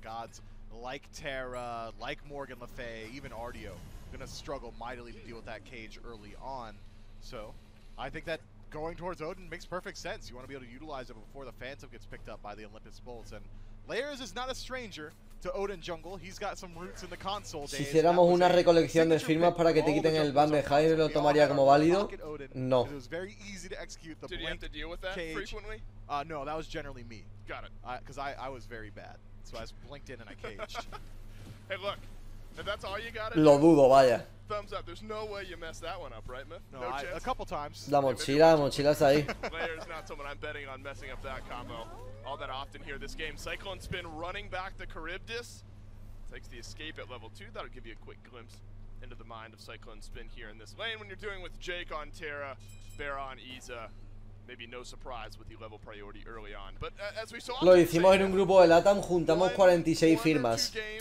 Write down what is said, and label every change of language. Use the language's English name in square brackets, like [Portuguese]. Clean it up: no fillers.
[English] Gods like Terra, like Morgan Le Fay, even Ardeo, gonna struggle mightily to deal with that cage early on. So, I think that going towards Odin makes perfect sense. You want to be able to utilize it before the Phantom gets picked up by the Olympus Bolts. And Layers is not a stranger to Odin jungle. He's got some roots in the console days. [Spanish] Si hiciéramos una recolección de firmas para que te quiten el ban de Hyrule, ¿lo tomaría como válido? No. [English] It was very easy to execute the blink. Did you have to deal with that frequently? No, that was generally me. Got it. Because I was very bad. So I was blinked in and I caged. Hey, look. If that's all you got, [Spanish] lo dudo, vaya. [English] Thumbs up. There's no way you messed that one up, right, Myth? No, a couple times. [Spanish] La mochila's ahí. [English] Layers not someone I'm betting on messing up that combo all that often here this game. Cyclone Spin running back the Charybdis. Takes the escape at level 2. That'll give you a quick glimpse into the mind of Cyclone Spin here in this lane. When you're doing with Jake on Terra, Baron, Iza, maybe no surprise with the level priority early on. But as we saw, [Spanish] lo hicimos en un grupo de LATAM, juntamos 46 firmas.